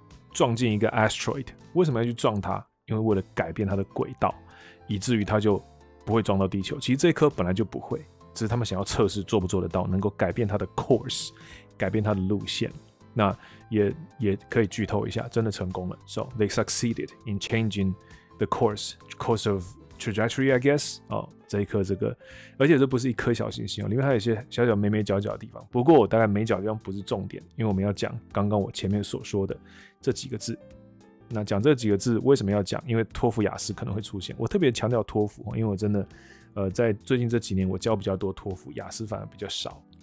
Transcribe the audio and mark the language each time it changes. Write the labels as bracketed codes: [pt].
[zh] 撞进一个 asteroid， 为什么要去撞它？因为为了改变它的轨道，以至于它就不会撞到地球。其实这颗本来就不会，只是他们想要测试做不做得到，能够改变它的 course， 改变它的路线。那也可以剧透一下，真的成功了。 [en] So they succeeded in changing the course of trajectory, I guess。 [zh] 哦，这一颗这个，而且这不是一颗小行星哦，里面还有一些小小眉眉角角的地方。不过我大概眉角的地方不是重点，因为我们要讲刚刚我前面所说的。这几个字，那讲这几个字为什么要讲？因为托福、雅思可能会出现。我特别强调托福，因为我真的，在最近这几年我教比较多托福，雅思反而比较少。